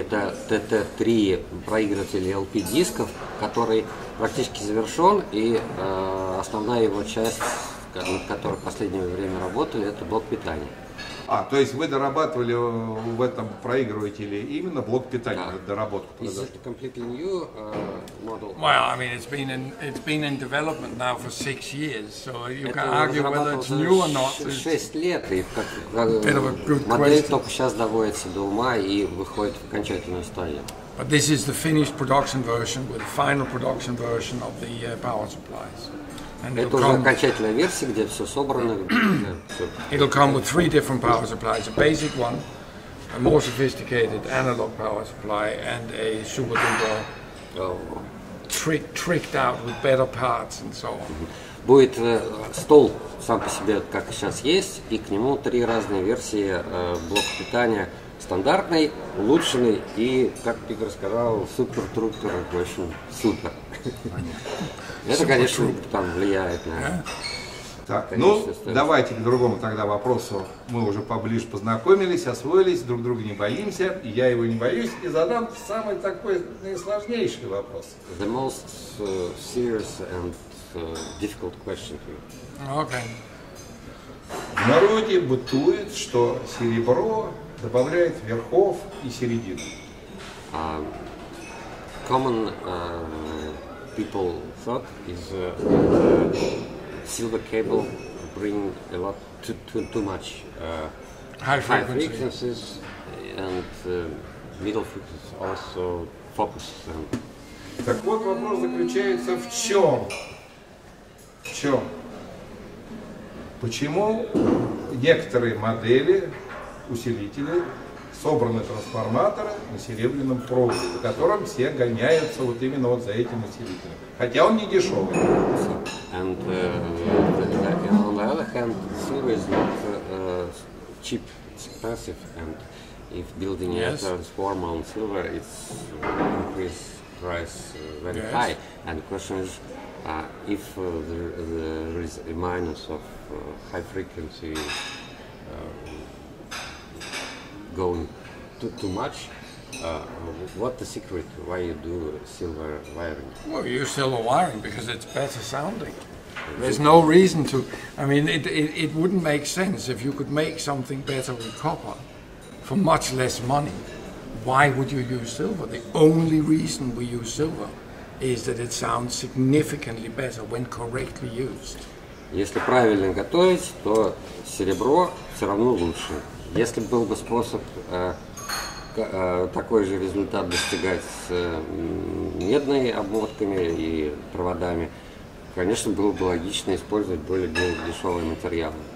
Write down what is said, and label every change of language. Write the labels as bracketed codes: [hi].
[ru] Это ТТ-3 проигрыватель LP-дисков, который практически завершен. И основная его часть, над которой в последнее время работали, это блок питания. А, то есть вы дорабатывали в этом проигрывателе именно блок питания, да. Доработку? [en] Is it a completely new model? Well, I mean, it's been in development now for 6 years, so you can argue whether it's new or not. [ru] Шесть лет, и модель только сейчас доводится до ума и выходит в окончательную стадию. [en] But this is the finished production version with the final production version of the power supplies. [ru] Это уже окончательная версия, где все собрано. [en] It'll come with three different power supplies: a basic one, a more sophisticated analog power supply, and a super duper tricked out with better parts and so on. [ru] Будет стол сам по себе, как сейчас есть, и к нему три разные версии блока питания: стандартный, улучшенный и, как Питер сказал, супер трупер, в общем, супер. Это, конечно, там влияет на... Так, ну, давайте к другому тогда вопросу. Мы уже поближе познакомились, освоились, друг друга не боимся, и я его не боюсь, и задам самый такой наисложнейший вопрос. [en] The most serious and difficult question for you. Okay. [ru] В народе бытует, что серебро добавляет верхов и середину. [en] Common people thought is silver cable bring a lot too much high frequencies and middle frequencies also focus. [ru] Так вот вопрос заключается в чем? Почему некоторые модели усилители собраны трансформаторы на серебряном проводе, в котором все гоняются вот именно вот за этим усилителем. Хотя он не дешевый. [en] And on the other hand, silver is not cheap, it's expensive. And if building a transformer on silver, it's increased price very high. And the question is, if there is a minus of high frequency going too much, what the secret why you do silver wiring? Well, you use silver wiring because it's better sounding. There's no reason to. I mean, it wouldn't make sense if you could make something better with copper for much less money. Why would you use silver? The only reason we use silver is that it sounds significantly better when correctly used. [ru] Если правильно готовить, то серебро все равно лучше. Если был бы способ такой же результат достигать с медными обмотками и проводами, конечно, было бы логично использовать более дешевые материалы.